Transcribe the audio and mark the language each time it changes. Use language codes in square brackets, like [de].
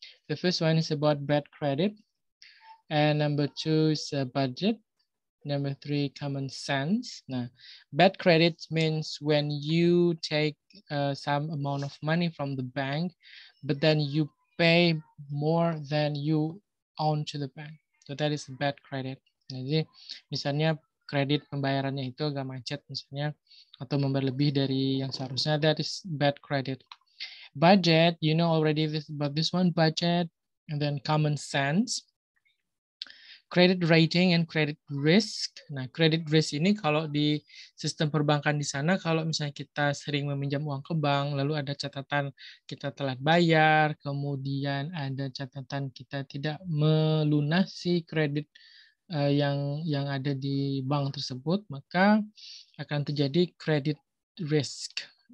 [en] The first one is about bad credit. And number 2 is budget. Number 3, common sense. Now, bad credit means when you take some amount of money from the bank, but then you pay more than you own to the bank. So that is bad credit. [id] Jadi, misalnya kredit pembayarannya itu agak macet misalnya, atau membayar lebih dari yang seharusnya, [en] that is bad credit. Budget, you know already this, about this one, budget, and then common sense. Credit rating and credit risk. [id] Nah, credit risk ini kalau di sistem perbankan di sana, kalau misalnya kita sering meminjam uang ke bank, lalu ada catatan kita telat bayar, kemudian ada catatan kita tidak melunasi kredit yang ada di bank tersebut, maka akan terjadi credit risk.